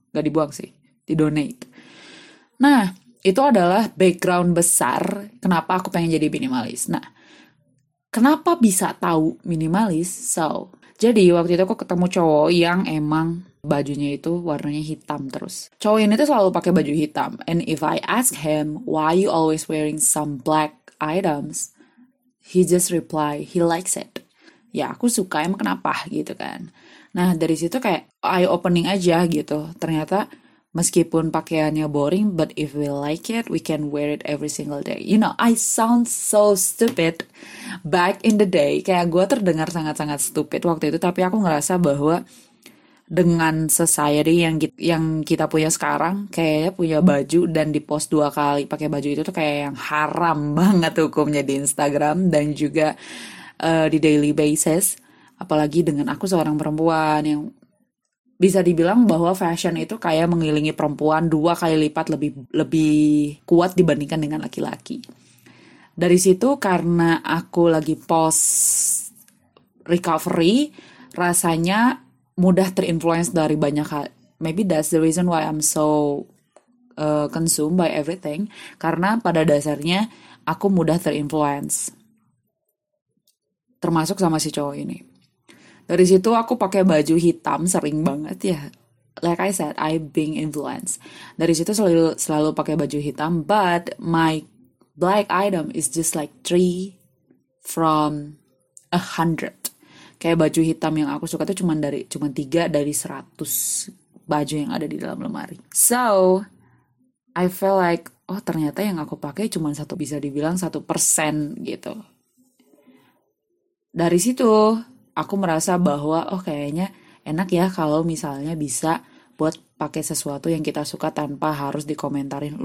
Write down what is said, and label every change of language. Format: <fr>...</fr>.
<id>Gak dibuang sih, didonate. Nah, itu adalah background besar kenapa aku pengen jadi minimalis. Nah, kenapa bisa tahu minimalis? So, jadi waktu itu aku ketemu cowok yang emang bajunya itu warnanya hitam terus. Cowok ini tuh selalu pakai baju hitam.</id> <en>And if I ask him, why you always wearing some black items? He just reply, he likes it.</en> <id>Ya, aku suka, emang kenapa gitu kan. Nah, dari situ kayak eye opening aja gitu. Ternyata meskipun pakaiannya boring,</id> <en>but if we like it, we can wear it every single day. You know, I sound so stupid back in the day.</en> <id>Kayak gue terdengar sangat-sangat stupid waktu itu, tapi aku ngerasa bahwa dengan society yang kita punya sekarang, kayaknya punya baju dan dipost dua kali pakai baju itu tuh kayak yang haram banget hukumnya di Instagram dan juga di daily basis. Apalagi dengan aku seorang perempuan yang bisa dibilang bahwa fashion itu kayak mengelilingi perempuan dua kali lipat lebih lebih kuat dibandingkan dengan laki-laki. Dari situ karena aku lagi post recovery, rasanya mudah terinfluence dari banyak hal.</id> <en>Maybe that's the reason why I'm so consumed by everything.</en> <id>Karena pada dasarnya aku mudah terinfluence. Termasuk sama si cowok ini. Dari situ aku pakai baju hitam sering banget ya.</id> <en>Like I said, I being influenced.</en> <id>Dari situ selalu pakai baju hitam.</id> <en>But my black item is just like 3 from 100.</en> <id>Kayak baju hitam yang aku suka tuh cuman 3 dari 100 baju yang ada di dalam lemari.</id> <en>So, I feel like,</en> <id>oh ternyata yang aku pakai cuman satu, bisa dibilang 1% gitu. Dari situ, aku merasa bahwa, oh kayaknya enak ya kalau misalnya bisa buat pakai sesuatu yang kita suka tanpa harus dikomentarin.</id>